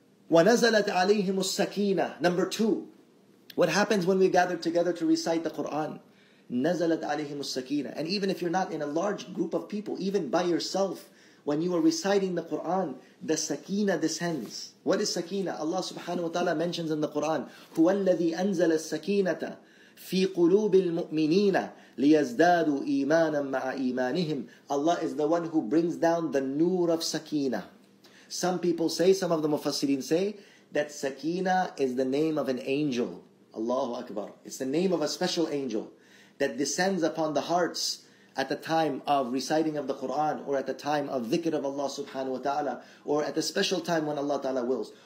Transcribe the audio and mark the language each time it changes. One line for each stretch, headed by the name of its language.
Arabic: ونزلت عليهم السكينة.
English: Number two, what happens when we gather together to recite the Quran?
Arabic: نزلت عليهم السكينة.
English: And even if you're not in a large group of people, even by yourself, when you are reciting the Quran, the sakina descends. What is sakina? Allah subhanahu wa ta'ala mentions in the Quran,
Arabic: هو الذي أنزل السكينة في قلوب المؤمنين لِيَزْدَادُوا إِيمَانًا مَعَ إِيمَانِهِمْ.
English: Allah is the one who brings down the nur of sakina. Some people say, some of the mufassirin say, that sakina is the name of an angel. Allahu Akbar. It's the name of a special angel that descends upon the hearts at the time of reciting of the Quran, or at the time of dhikr of Allah subhanahu wa ta'ala, or at the special time when Allah ta'ala wills.